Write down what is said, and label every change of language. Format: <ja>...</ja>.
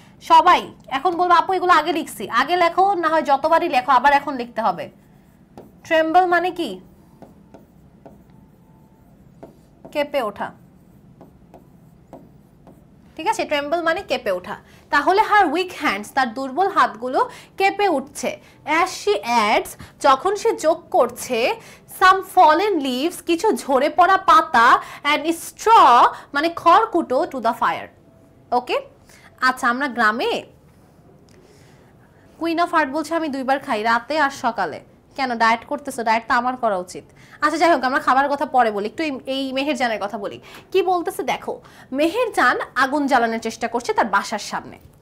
<bn>সবাই এখন বলবো, আপু এগুলো আগে লিখছি, আগে লেখো না হয় যতবারই লেখো আবার এখন লিখতে হবে। Tremble মানে কি? কেঁপে ওঠা। ঠিক আছে, tremble মানে কেঁপে ওঠা। তাহলে</bn> <en>her weak hands,</en> <bn>তার দুর্বল হাতগুলো কেঁপে উঠছে।</bn> <en>As she adds,</en> <bn>যখন সে যোগ করছে,</bn> <en>some fallen leaves,</en> <bn>কিছু ঝরে পড়া পাতা,</bn> <en>and straw,</en> <bn>মানে খড়কুটো,</bn> <en>to the fire.</en> <bn>ওকে, আচ্ছা আমরা গ্রামে কুইন অফ হার্ট বলছে আমি দুইবার খাই, রাতে আর সকালে। কেন ডায়েট করতেছো? ডায়েট তো আমার করা উচিত। আচ্ছা যাই হোক, আমরা খাবার কথা পরে বলি, একটু এই মেহেরজানের কথা বলি। কি বলতেছে দেখো, মেহেরজান আগুন জ্বালানোর চেষ্টা করছে তার বাসার সামনে।</bn>